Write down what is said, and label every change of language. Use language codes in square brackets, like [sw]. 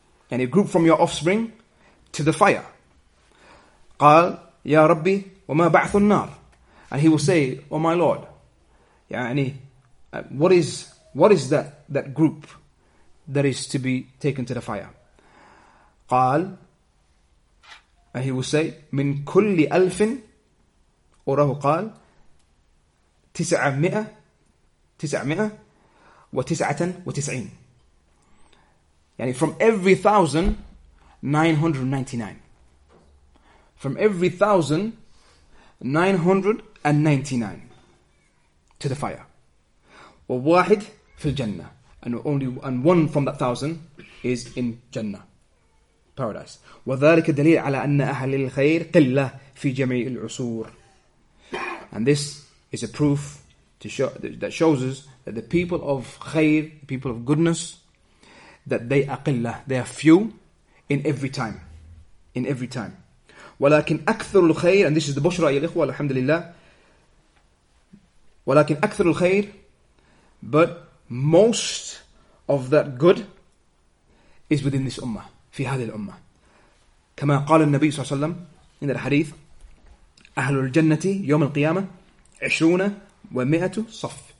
[en] يعني a group from your offspring to the fire. [ar] قال يَا رَبِّ وَمَا بَعْثُ النَّارِ. [en] And he will say, oh my Lord, يعني, what is that group that is to be taken to the fire? [ar] قال, [en] and he will say, [ar] من كل ألف أراه قال تسعمائة وتسعة وتسعين. [en] يعني from every 1,000, 999. From every 1,000, 999 to the fire. [ar] وواحد في الجنة. [en] And only and one from that 1,000 is in Jannah, paradise. [ar] وذلك دليل على أن أهل الخير قلة في جميع العصور. [en] And this is a proof to show that shows us that the people of khair, the people of goodness, that they are قلة, they are few in every time, in every time. [ar] ولكن أكثر الخير, [en] and this is the [ar] بشرى يا إخوة الحمد لله. ولكن أكثر الخير, [en] but most of that good is within this ummah, [ar] في هذه الأمة. كما قال النبي صلى الله عليه وسلم [en] in the hadith, [ar] أهل الجنة يوم القيامة 20 و100 صف.